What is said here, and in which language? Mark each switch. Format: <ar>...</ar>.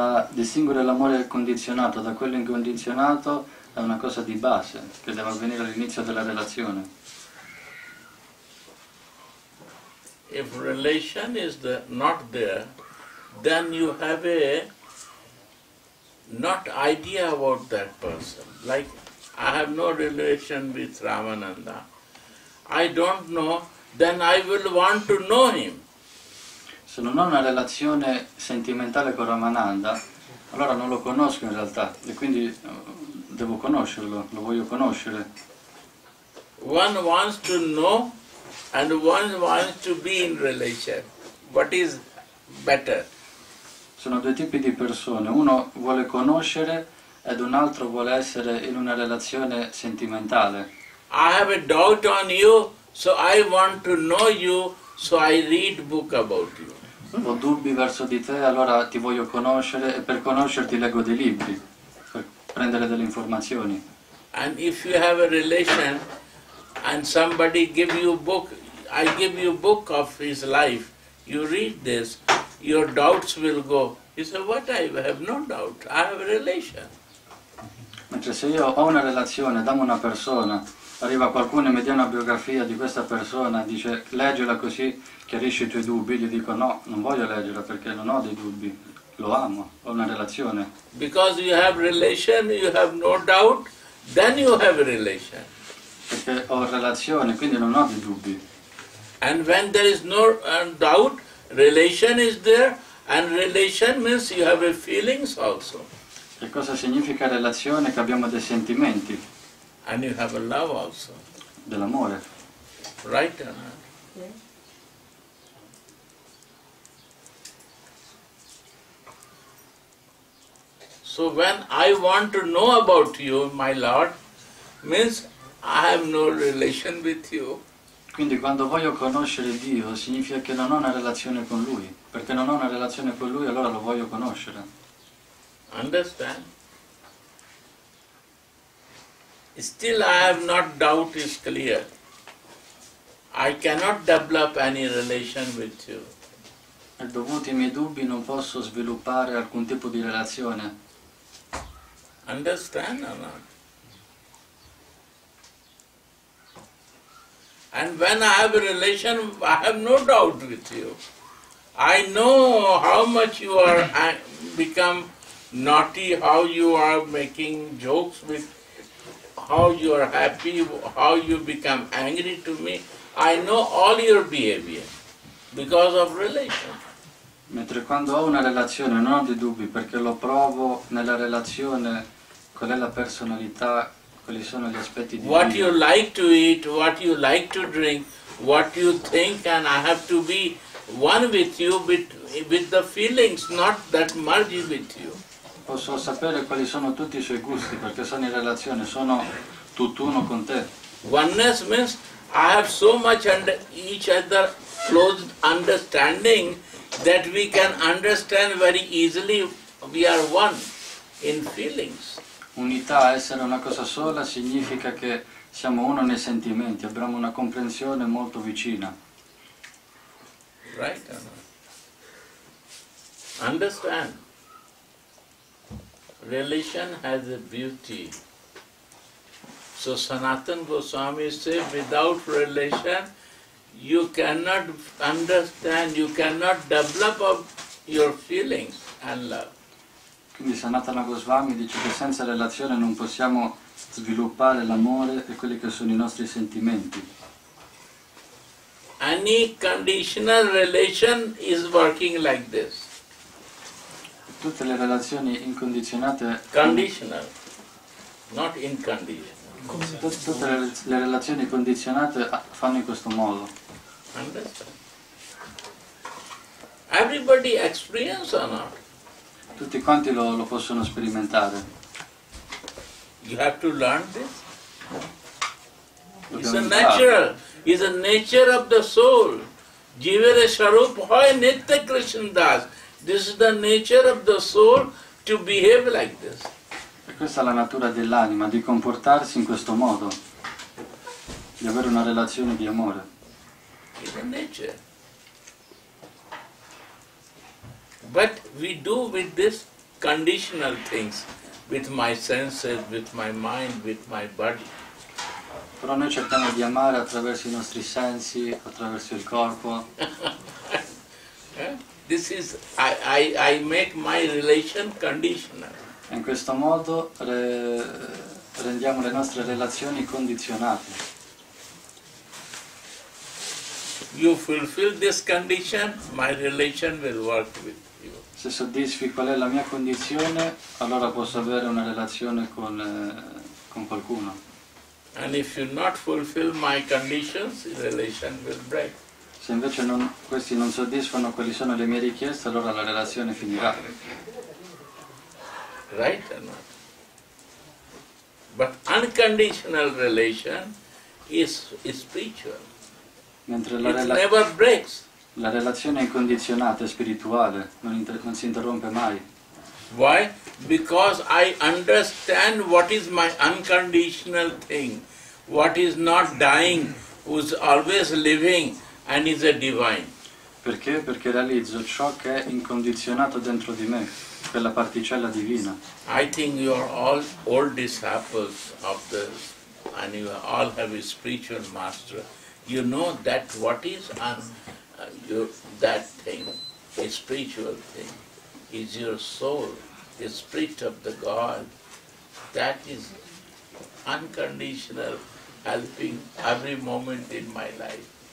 <it>Distinguere l'amore condizionato da quello incondizionato è una cosa di base che deve avvenire all'inizio della relazione.</it> <en>If relation is the, not there, then you have a not idea about that person. Like I have no relation with Ramananda. I don't know, then I will want to know him.</en> <it>Se non ho una relazione sentimentale con Ramananda, allora non lo conosco in realtà, e quindi devo conoscerlo, lo voglio conoscere.</it> <en>One wants to know and one wants to be in relation. What is better?</en> <it>Sono due tipi di persone, uno vuole conoscere ed un altro vuole essere in una relazione sentimentale.</it> <en>I have a doubt on you, so I want to know you, so I read book about you.</en> <it>Ho dubbi verso di te, allora ti voglio conoscere e per conoscerti leggo dei libri per prendere delle informazioni.</it> <en>And if you have a relation and somebody give you book, I give you book of his life, you read this, your doubts will go. You say, what? I have no doubt, I have a relation.</en> <it>Mentre se io ho una relazione, dammo una persona, arriva qualcuno e mi dà una biografia di questa persona, dice leggila così chiarisci i tuoi dubbi, gli dico no, non voglio leggerla perché non ho dei dubbi, Lo amo, ho una relazione.</it> <en>Because you have relation, you have no doubt, then you have a relation.</en> <it>Perché ho relazione, quindi non ho dei dubbi.</it> <en>And when there is no doubt, relation is there, and relation means you have a feelings also.</en> <it>Che cosa significa relazione? Che abbiamo dei sentimenti.</it> <en>And you have a love also.</en> <it>Dell'amore.</it> <en>Right? Yes. So when I want to know about you, my Lord, means I have no relation with you.</en> <it>Quindi quando voglio conoscere Dio significa che non ho una relazione con Lui. Perché non ho una relazione con Lui, allora lo voglio conoscere.</it> <en>Understand? Still I have not doubt is clear. I cannot develop any relation with you.</en> <it>E dovuti ai miei dubbi non posso sviluppare alcun tipo di relazione.</it> <en>Understand or not? And when I have a relation, I have no doubt with you. I know how much you are become naughty, how you are making jokes with, how you are happy, how you become angry to me. I know all your behavior because of relation.</en> <it>Mentre quando ho una relazione, non ho dei dubbi, perché lo provo nella relazione, qual è la personalità. Quali sono gli aspetti di</it> <en>what you like to eat, what you like to drink, what you think, and I have to be one with you, with the feelings, not that merge with you.</en> <it>Posso sapere quali sono tutti i suoi gusti, perché sono in relazione, sono tutt'uno con te.</it> <en>Oneness means I have so much under each other close understanding that we can understand very easily we are one in feelings.</en> <it>Unità, essere una cosa sola, significa che siamo uno nei sentimenti, abbiamo una comprensione molto vicina.</it> <en>Right? Understand. Relation has a beauty. So Sanatana Goswami say, without relation, you cannot understand, you cannot develop up your feelings and love.</en> <it>Quindi Sanatana Goswami dice che senza relazione non possiamo sviluppare l'amore e quelli che sono i nostri sentimenti.</it> <en>Any conditional relation is working like this.</en> <it>Tutte le relazioni incondizionate.</it> <en>Conditional, not</en> <it>incondizionate. Tutte le relazioni condizionate fanno in questo modo.</it> <en>Understand? Everybody experience or not?</en> <it>Tutti quanti lo possono sperimentare.</it> <en>You have to learn this. It's a natural. It's a nature of the soul.</en> <bn>Jivere sharup hoy nitya krishnadas.</bn> <en>This is the nature of the soul to behave like this.</en> <it>E questa è la natura dell'anima, di comportarsi in questo modo. Di avere una relazione di amore.</it> <en>It's a nature. But we do with this conditional things, with my senses, with my mind, with my body.</en> <it>Però noi cerchiamo di amare attraverso i nostri sensi, attraverso il corpo.</it> <en>This is I make my relation conditional.</en> <it>In questo modo rendiamo le nostre relazioni condizionate.</it> <en>You fulfill this condition, my relation will work with.</en> <it>Se soddisfi qual è la mia condizione, allora posso avere una relazione con qualcuno.</it> <en>And if you not fulfill my conditions, the relation will break.</en> <it>Se invece questi non soddisfano quali sono le mie richieste, allora la relazione finirà.</it> <en>Right or not? But unconditional relation is spiritual.</en> <it>Mentre la relazione</it> <en>never breaks.</en> <it>La relazione incondizionata è spirituale, non si interrompe mai.</it> <en>Why? Because I understand what is my unconditional thing, what is not dying, who is always living and is a divine.</en> <it>Perché? Perché realizzo ciò che è incondizionato dentro di me, quella particella divina.</it> <en>I think you are all old disciples of the, and you all have a spiritual master. You know that what is un. That thing, a spiritual thing. is your soul, the spirit of the God, that is unconditional helping every moment in my life.</en>